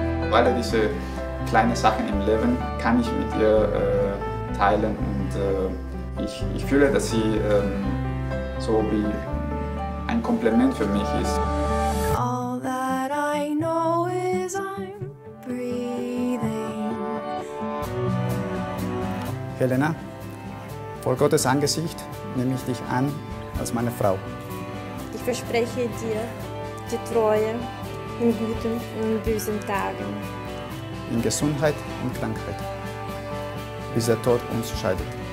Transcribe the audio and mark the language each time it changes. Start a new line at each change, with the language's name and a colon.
German: Alle diese kleinen Sachen im Leben kann ich mit ihr teilen und ich fühle, dass sie so wie ein Kompliment für mich ist.
English: All that I know is I'm breathing.
German: Helena, vor Gottes Angesicht nehme ich dich an als meine Frau. Ich verspreche dir die Treue in guten und bösen Tagen. In Gesundheit und Krankheit, bis der Tod uns scheidet.